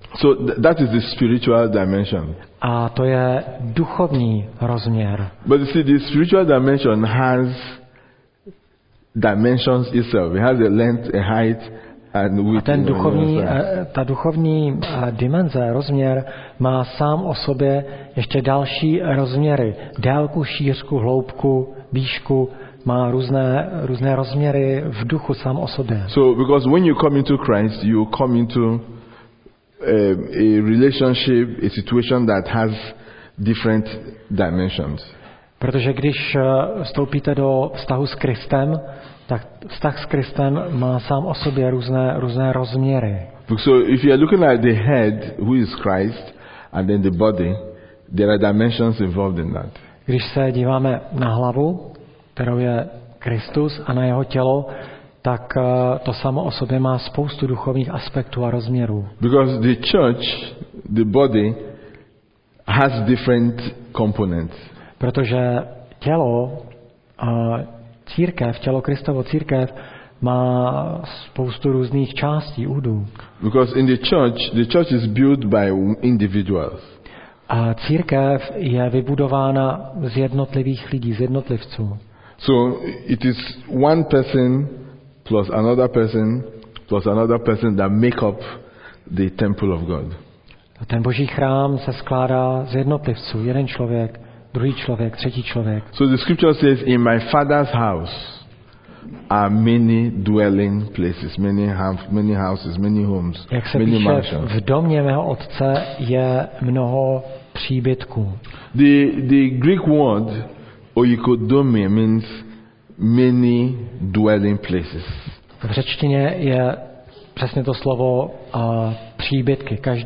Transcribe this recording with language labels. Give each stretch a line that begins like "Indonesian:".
English: So that is the spiritual dimension.
Czech: A to je duchovní rozměr.
English: But you see, the spiritual dimension has dimensions itself. It has a length, a height, and width.
Czech: A ten duchovní, ta duchovní dimenze, rozměr, má sám o sobě ještě další rozměry. Délku, šířku, hloubku, výšku, má různé rozměry v duchu sám o sobě.
English: So, because when you come into Christ, you come into a relationship, a situation that has different dimensions.
Czech: Protože když vstoupíte do vztahu s Kristem, tak vztah s Kristem má sám o sobě různé rozměry.
English: So if you are looking at the head, who is Christ, and then the body, there are dimensions involved in that.
Czech: Když se díváme na hlavu, kterou je Kristus, a na jeho tělo, tak to samo o sobě má spoustu duchovních aspektů a rozměrů.
English: Because the church, the body, has different components.
Czech: Protože tělo, církev, tělo Kristovo církev má spoustu různých částí, údů.
English: Because in the church is built by individuals.
Czech: A církev je vybudována z jednotlivých lidí, z jednotlivců.
English: So it is one person plus another person plus another person that make up the temple of God.
Czech: A ten Boží chrám se skládá z jednotlivců, jeden člověk, druhý člověk, třetí člověk.
English: So the scripture says, in my father's house are many dwelling places, many houses, many homes,
Czech: jak se
English: many
Czech: píše,
English: mansions.
Czech: V domě mého otce je mnoho příbytků.
English: The Greek word oikodome means many dwelling places.
Czech: V řečtině je přesně to slovo příbytky.